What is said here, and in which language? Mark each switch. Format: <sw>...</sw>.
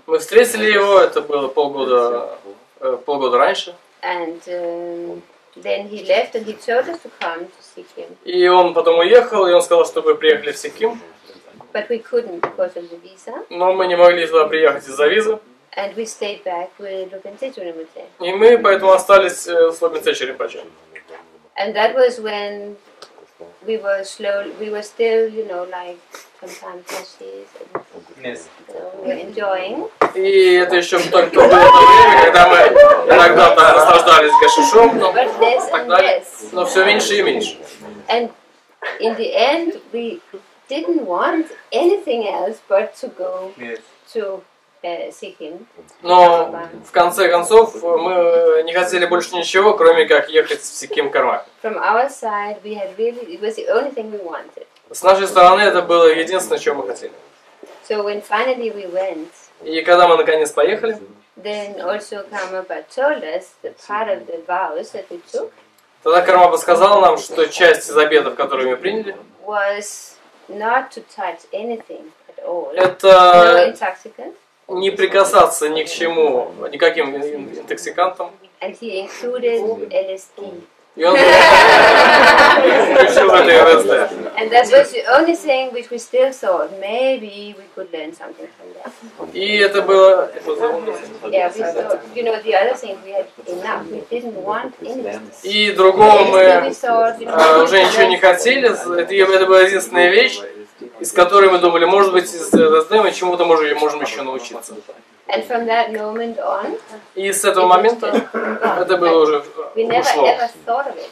<ru>Мы встретили его, это было полгода раньше.</ru> <en>And then he left and he told us to come to see him.</en> <ru>И он потом уехал, и он сказал, чтобы мы приехали в Сикким.</ru> <en>But we couldn't because of the visa.</en> <ru>Но мы не могли туда приехать из-за визы.</ru> <en>And we stayed back with Lopin Tse Rinpoche.</en> <ru>И мы поэтому остались с Лопин Тсе Ринпоче.</ru> <en>And that was when we were slowly, we were still, you know, like sometimes ashes and yes. We were enjoying.</en> <ru>И это еще только было то время, когда мы иногда наслаждались гашишом, но так далее. Но все меньше и меньше.</ru> <en>And in the end, we didn't want anything else but to go to.</en> <ru>Но в конце концов мы не хотели больше ничего, кроме как ехать в Сикким Кармак.</ru> <en>From our side, we had really, it was the only thing we wanted.</en> <ru>С нашей стороны это было единственное, чего мы хотели.</ru> <en>So when finally we went.</en> <ru>И когда мы наконец поехали.</ru> <en>Then also Karmapa told us the part of the vows that we took.</en> <ru>Тогда Кармапа сказал нам, что часть из обетов, которые мы приняли.</ru> <en>Was not to touch anything at all.</en> <ru>Это.</ru> <en>No intoxicants.</en> <ru>Не прикасаться ни к чему, никаким интоксикантам.</ru> <en>And he included LSD.</en> <ru>И он включил это LSD.</ru> <en>And that was the only thing which we still thought maybe we could learn something from that.</en> <ru>И это было.</ru> <en>Yeah, we thought, you know, the other thing we had enough. We didn't want anything.</en> <ru>И другого мы уже ничего не хотели. Это была единственная вещь. Из которой мы думали, может быть, из ЛСД мы чему-то можем еще научиться.</ru> <en>And from that moment on,</en> <ru>и с этого момента это было уже ушло.</ru>